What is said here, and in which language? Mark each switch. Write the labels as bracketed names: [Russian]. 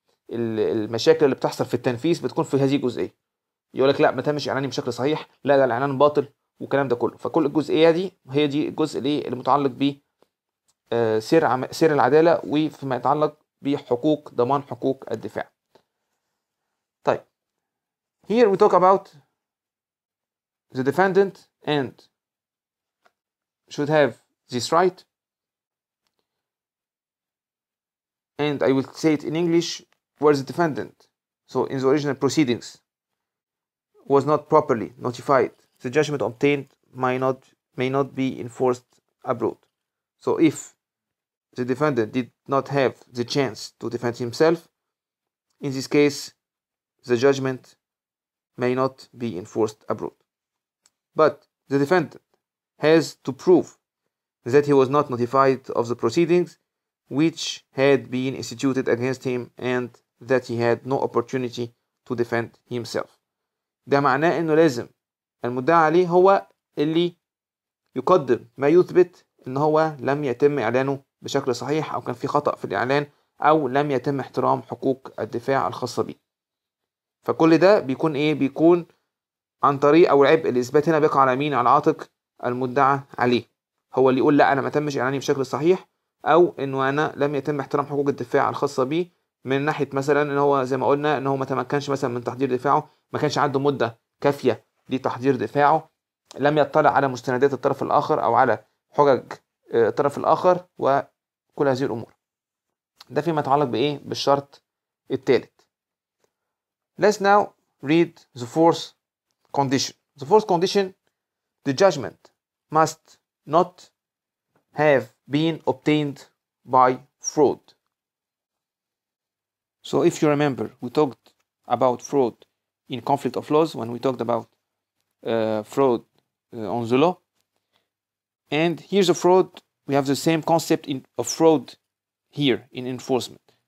[Arabic] المشاكل اللي بتحصل في التنفيذ بتكون في هذه الجزئيه يقول لك لا ما تمش اعلاني بشكل صحيح لا لا الاعلان باطل والكلام ده كله فكل الجزئيه دي هي دي الجزء الايه المتعلق ب سير العداله وفيما يتعلق بحقوق ضمان حقوق الدفاع طيب [English] here we talk about the defendant and should have this right. And I will say it in English, where the defendant, so in the original proceedings, was not properly notified, the judgment obtained may not be enforced abroad. So if the defendant did not have the chance to defend himself, in this case, the judgment may not be enforced abroad. But the defendant has to prove that he was not notified of the proceedings which had been instituted against him and that he had no opportunity to defend himself. [Arabic] ده معناه انه لازم المدعى عليه هو اللي يقدم ما يثبت ان هو لم يتم اعلانه بشكل صحيح او كان في خطأ في الاعلان او لم يتم احترام حقوق الدفاع الخاصة به. فكل ده بيكون ايه بيكون عن طريق او العبء الاثبات هنا بيقع على مين على عاتق المدعى عليه. هو اللي يقول لا أنا ما تمش إعلاني بشكل صحيح أو إنه أنا لم يتم احترام حقوق الدفاع الخاصة بي من ناحية مثلا إن هو زي ما قلنا إن هو ما تمكنش مثلا من تحضير دفاعه ما كانش عنده مدة كافية لتحضير دفاعه لم يطلع على مستندات الطرف الآخر أو على حجج الطرف الآخر وكل هذه الأمور ده فيما يتعلق بإيه بالشرط التالت [English] Let's now read the fourth condition The fourth condition The judgment must not have been obtained by fraud. So if you remember, we talked about fraud in conflict of laws when we talked about fraud on the law. And here's a fraud. We have the same concept of fraud here in enforcement.